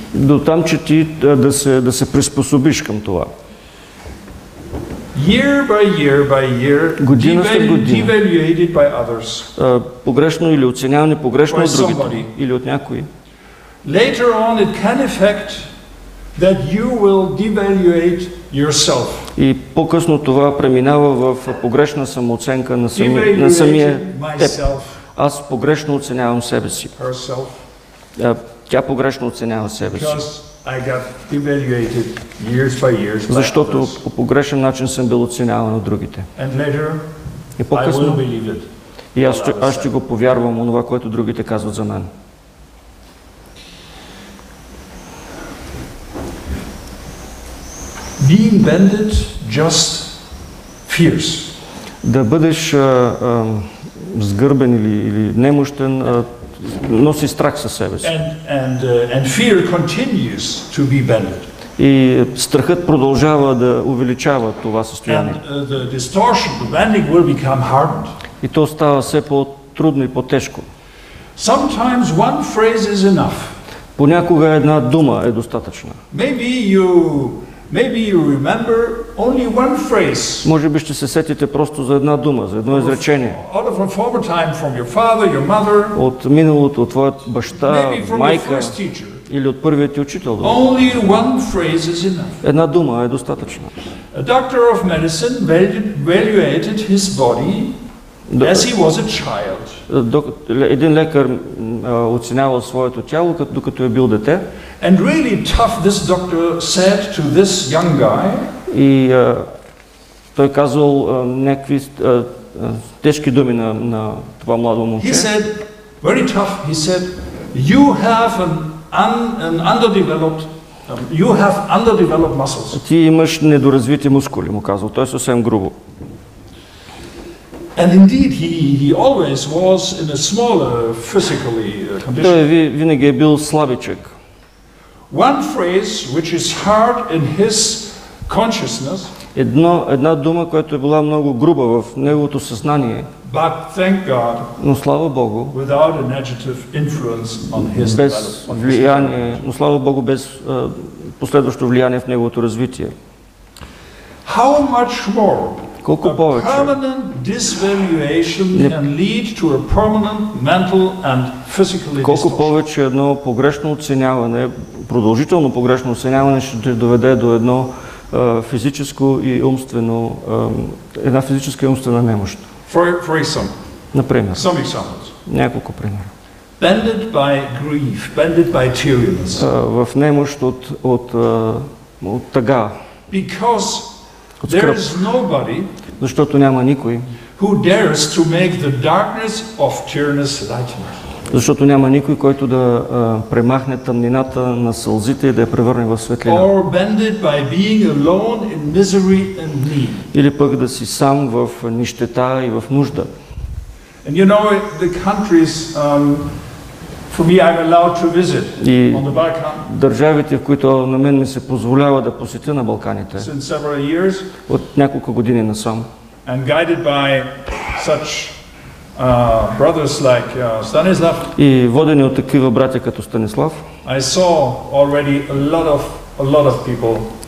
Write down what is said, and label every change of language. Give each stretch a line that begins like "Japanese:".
Bulgarian: До там, че ти да се приспособиш към това.
English: Year by year by year,
Bulgarian: година след година,
English: devaluated by others.
Bulgarian: Погрешно или оценявани погрешно от другите или от някои.
English: Later on it can affect that you will devaluate yourself.
Bulgarian: И по-късно това преминава в погрешна самооценка на самия теб. Аз погрешно оценявам себе си.
English: Herself.
Bulgarian: Тя погрешно оценява себе си.
English: I got devaluated years by years.
Bulgarian: Защото по погрешен начин съм бил оценяван от другите.
English: And later,
Bulgarian: и по-късно,
English: I will believe it.
Bulgarian: И аз ще го повярвам онова, което другите казват за мен.
English: Being bended just fears.
Bulgarian: Да бъдеш сгърбен или немощен, носи страх със себе си.
English: And fear continues to be bended.
Bulgarian: И страхът продължава да увеличава това състояние.
English: And the distortion, the bending will become hardened.
Bulgarian: И то става все по-трудно и по-тежко.
English: Sometimes one phrase is enough.
Bulgarian: Понякога една дума е достатъчна.
English: Maybe you remember only one phrase.
Bulgarian: Може би ще се сетите просто за една дума, за едно изречение.
English: Out of a former time from your father, your mother.
Bulgarian: От миналото, от твоя баща, майка.
English: Maybe from your first teacher.
Bulgarian: Или от първият ти учител.
English: Only one phrase is enough.
Bulgarian: Една дума е достатъчна.
English: A doctor of medicine evaluated his body as he was a child.
Bulgarian: Един лекар оценявал своето тяло, докато е бил дете.
English: And really tough, this doctor said to this young guy.
Bulgarian: И той казал някакви тежки думи на това младо момче.
English: He said, very tough, he said, you have underdeveloped muscles.
Bulgarian: Ти имаш недоразвити мускули, му казал. Той съвсем грубо.
English: And indeed he always was in a smaller physically condition.
Bulgarian: Той винаги е бил слабичък.
English: One phrase which is hard in his consciousness.
Bulgarian: Една дума, която е била много груба в неговото съзнание.
English: But thank God.
Bulgarian: Но слава Богу.
English: Without a negative influence on his
Bulgarian: без влияние, но слава Богу без последващо влияние в неговото развитие.
English: How much more?
Bulgarian: Колко повече?
English: Permanent disvaluation can lead to a permanent mental and physical distortion.
Bulgarian: Колко повече едно погрешно оценяване, продължително погрешно оценяване ще те доведе до едно физическо и умствено една физическа и умствена немощ.
English: For example.
Bulgarian: Например.
English: Some examples.
Bulgarian: Няколко примера.
English: Bended by grief, bended by tenderness.
Bulgarian: В немощ от тъга.
English: Because there is nobody.
Bulgarian: Защото няма никой.
English: Who dares to make the darkness of tenderness lightness.
Bulgarian: Защото няма никой, който да премахне тъмнината на сълзите и да я превърне в светлина.
English: Or bended by being alone in misery and need.
Bulgarian: Или пък да си сам в нищета и в нужда.
English: And you know the countries for me I'm allowed to visit on the Balkans.
Bulgarian: Държавите, в които на мен ми се позволява да посетя на Балканите.
English: Since several years.
Bulgarian: От няколко години насам.
English: And guided by such brothers like Stanislav.
Bulgarian: И водени от такива братя като Станислав.
English: I saw already a lot of people.